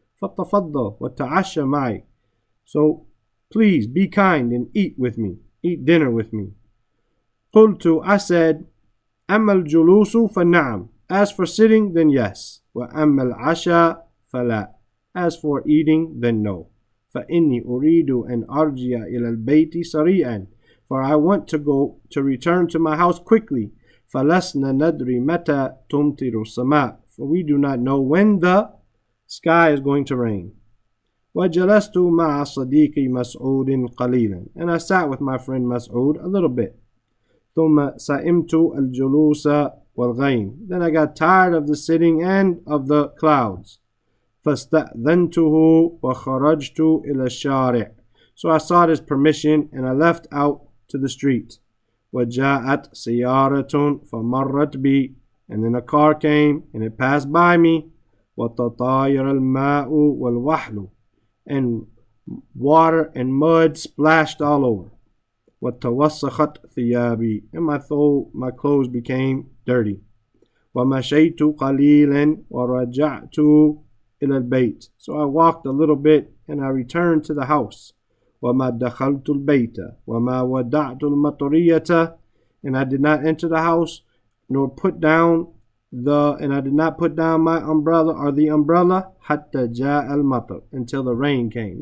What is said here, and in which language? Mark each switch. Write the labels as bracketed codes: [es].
[ar] فتفضل وتعشى معي [en] So please be kind and eat with me. Eat dinner with me. قلت I said [ar] أما الجلوس فنعم [en] As for sitting then yes. [ar] وأما العشاء فلا [en] As for eating, then no. [ar] فإني أريد أن أرجع إلى البيت سريعا. [en] For I want to return to my house quickly. [ar] فلسنا ندري متى تمطر السماء. [en] For we do not know when the sky is going to rain. [ar] وجلست مع صديقي مسعود قليلا. [en] And I sat with my friend Masoud a little bit. [ar] ثم سئمت الجلوس والغيم. [en] Then I got tired of the sitting and of the clouds. [ar] فاستأذنته وخرجت إلى الشارع. [en] So I sought his permission and I left out to the street. [ar] وجاءت سيارة فمرت بي. [en] And then a car came and it passed by me. [ar] وتطاير الماء والوحل. [en] And water and mud splashed all over. [ar] وتوسخت ثيابي. [en] And my clothes became dirty. [ar] ومشيت قليلا ورجعت إلى البيت. [en] So I walked a little bit and I returned to the house. [ar] وما دخلت البيت وما ودعت المطرية [en] and I did not enter the house nor put down my umbrella or the umbrella [ar] حتى جاء المطر [en] until the rain came.